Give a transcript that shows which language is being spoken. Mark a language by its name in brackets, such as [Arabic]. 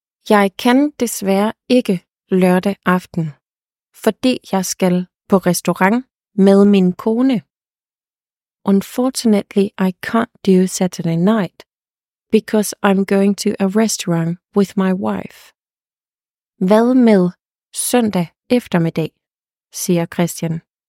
[Danish] Jeg kan desværre ikke lørdag aften, fordi jeg skal på restaurant med min kone. [English] Unfortunately, I can't do Saturday night, because I'm going to a restaurant with my wife. [Danish] Hvad med søndag eftermiddag, siger Christian.